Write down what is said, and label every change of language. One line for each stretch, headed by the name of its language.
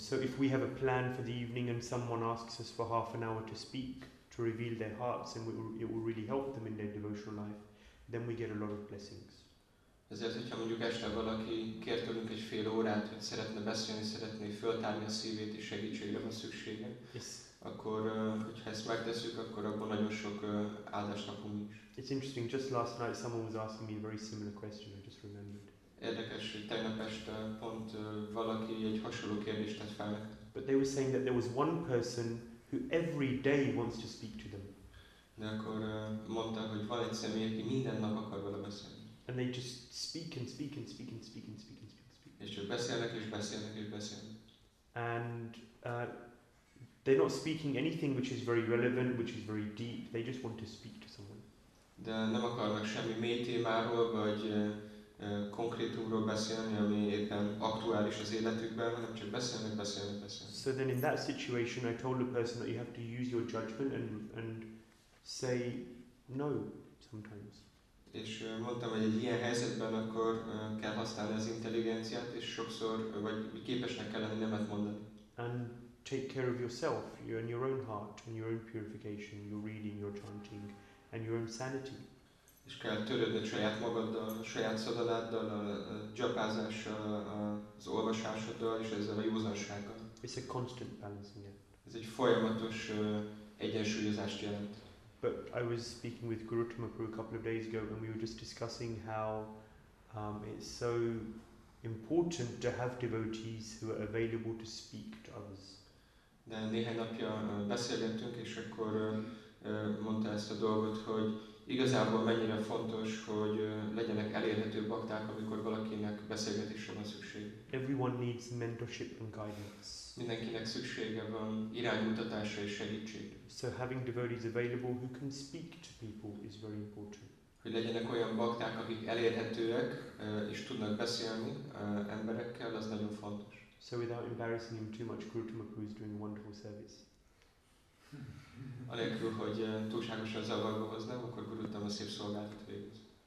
English: So if we have a plan for the evening and someone asks us for half an hour to speak, to reveal their hearts, and it will really help them in their devotional life, then we get a lot of blessings.
Hungarian: Ezért, hogyha mondjuk este valaki kér tőlünk egy fél órát, hogy szeretne beszélni, szeretné föltárni a szívét és segítségre van szüksége,
English: yes.
Hungarian: Akkor hogyha ezt megteszük, akkor abban nagyon sok áldást kapunk is.
English: It's interesting, just last night someone was asking me a very similar question, I just remembered.
Hungarian: Érdekes, hogy tegnap este pont valaki egy hasonló kérdést tett fel.
English: But they were saying that there was one person who every day wants to speak to them.
Hungarian: De akkor mondták, hogy van egy személy, aki minden nap akar vele beszélni.
English: And they just speak and speak and speak and speak and speak and speak and speak.
Hungarian: És csak beszélnek és beszélnek és beszélnek.
English: And they're not speaking anything which is very relevant, which is very deep. They just want to speak to someone.
Hungarian: De nem akarnak semmi mély témáról vagy konkrétumról beszélni, ami éppen aktuális az életükben, hanem csak beszélnek, beszélnek, beszélnek.
English: So then in that situation, I told the person that you have to use your judgment and say no sometimes.
Hungarian: És mondtam, hogy egy ilyen helyzetben akkor kell használni az intelligenciát, és sokszor, vagy képesnek kellene nemet mondani.
English: And take care of yourself, you and your own heart, and your own purification, your reading, your chanting, and your own sanity.
Hungarian: És kell törődni saját magaddal, saját szadaláddal, a gyapázással, az olvasásoddal, és ezzel a józansággal.
English: It's a constant balancing act.
Hungarian: Ez egy folyamatos egyensúlyozást jelent.
English: But I was speaking with Guru Tumapuru a couple of days ago and we were just discussing how it's so important to have devotees who are available to speak to others.
Hungarian: De néhány napja beszélgettünk, és akkor mondta ezt a dolgot, hogy igazából mennyire fontos, hogy legyenek elérhető bakták, amikor valakinek beszélgetésre van szükség.
English: Everyone needs mentorship and guidance.
Hungarian: Mindenkinek szüksége van iránymutatásra és segítségre.
English: So having devotees available who can speak to people is very important.
Hungarian: hogy legyenek olyan bakták, akik elérhetőek és tudnak beszélni emberekkel, az nagyon fontos.
English: So without embarrassing him too much, Gurutumapu is doing a wonderful service.
Hungarian: Anélkül, hogy túlságosan zavarba hoznám, akkor Gurutam a szép szolgálatot végez.